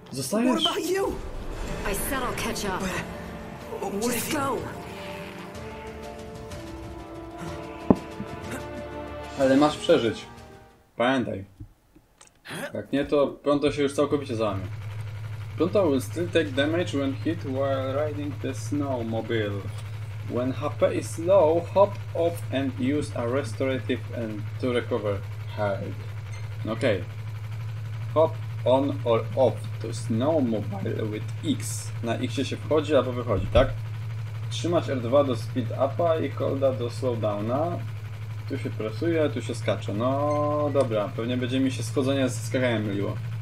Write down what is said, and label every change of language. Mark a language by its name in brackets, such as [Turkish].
[English] what about you? I said I'll catch up. But just go. [Polish] Ale masz przeżyć. Pamiętaj. Jak nie, to Pronto się już całkowicie załamie. [English] Pronto will still take damage when hit while riding the snowmobile. When HP is low, hop off and use a restorative and to recover health. Okay. Hop on or off to snowmobile with X. [Polish] Na X się wchodzi albo wychodzi, tak? Trzymasz R2 do speed upa i holda do slowdowna. Tu się presuje, tu się skacze. No dobra, pewnie będzie mi się schodzenie ze skakaniem myliło.